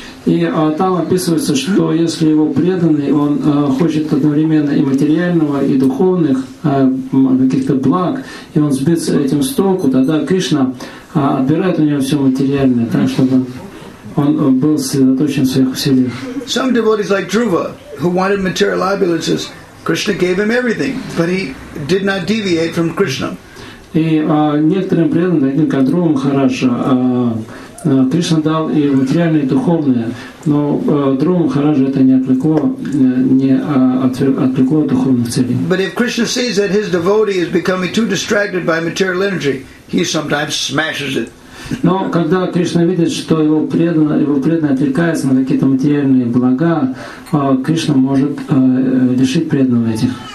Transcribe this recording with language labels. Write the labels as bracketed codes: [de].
[ru] И там описывается, что если его преданный, он хочет одновременно и материального, и духовных каких-то благ, и он сбит с этим с толку, тогда Кришна отбирает у него все материальное, так чтобы он был сосредоточен в своих усилиях. [en] Some devotees like Dhruva, who wanted material opulences, Krishna gave him everything, but he did not deviate from Krishna. [ru] И некоторым преданным, таким как Dhruva Maharaj, Кришна дал и материальное, и духовное, но Dhruva Maharaj это не отвлекло, отвлекло от духовных целей. [en] But if Krishna sees that his devotee is becoming too distracted by material energy, he sometimes smashes it. [ru] Но когда Кришна видит, что его преданный отвлекается на какие-то материальные блага, Кришна может лишить преданного этих